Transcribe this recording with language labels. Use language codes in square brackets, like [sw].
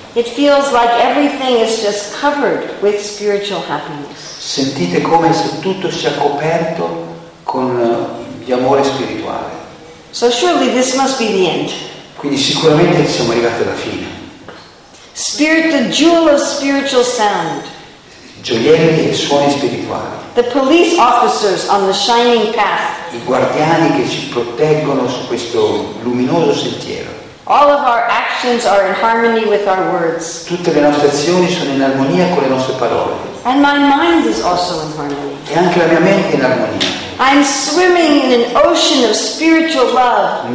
[en] It feels like everything is just covered with spiritual happiness. [it] Sentite come se tutto sia coperto con di amore spirituale. [en] So surely this must be the end. [it] Quindi sicuramente siamo arrivati alla fine. [en] Spirit, the jewel of spiritual sound. [it] Gioielli e suoni spirituali. [en] The police officers on the shining path. [it] I guardiani che ci proteggono su questo luminoso sentiero. [en] All of our actions are in harmony with our words. [it] Tutte le nostre azioni sono in armonia con le nostre parole. [en] And my mind is also in harmony. [it] E anche la mia mente è in armonia. [en] I'm swimming in an ocean of spiritual love.